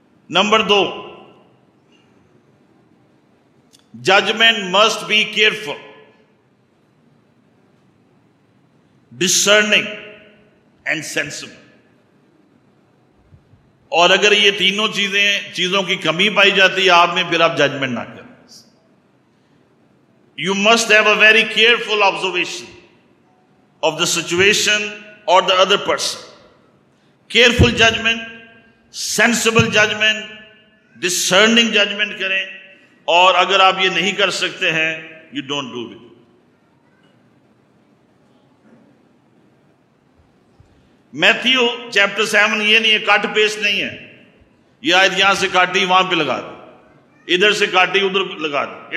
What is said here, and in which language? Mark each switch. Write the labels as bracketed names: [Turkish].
[English] Number دو، judgment must be careful, discerning and sensible. [Urdu] اور اگر یہ تینوں چیزوں کی کمی پائی جاتی ہے آپ میں، پھر آپ ججمنٹ نہ کریں. [English] You must have a very careful observation of the situation اور the other person. [Urdu] Careful judgment, sensible judgment, ڈسرننگ judgment کریں. اور اگر آپ یہ نہیں کر سکتے ہیں، [English] You don't do it. [Urdu] Matthew chapter 7 یہ نہیں ہے، کٹ پیسٹ نہیں ہے، یہ آیت یہاں سے کاٹی وہاں پہ لگا دی، ادھر سے کاٹی ادھر لگا دی.